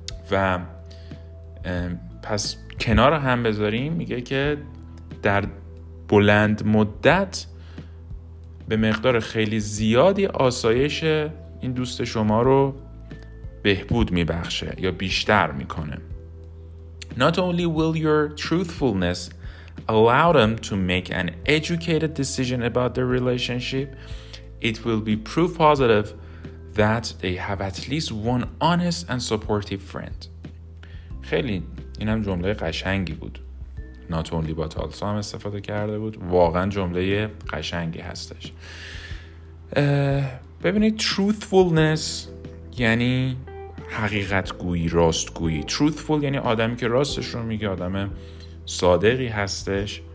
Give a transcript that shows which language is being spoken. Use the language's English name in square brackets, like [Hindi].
[Persian] و پس کنار هم بذاریم، میگه که در بلند مدت به مقدار خیلی زیادی آسایش این دوست شما رو بهبود میبخشه یا بیشتر میکنه. [English] Not only will your truthfulness allow them to make an educated decision about their relationship, it will be proof positive that they have at least one honest and supportive friend. [Persian] خیلی اینم جمله قشنگی بود. [English] Not only but also [Persian] هم استفاده کرده بود. واقعا جمله قشنگی هستش. ببینید truthfulness یعنی حقیقت گویی، راست گویی. truthful یعنی آدمی که راستش رو میگه، آدم صادقی هستش.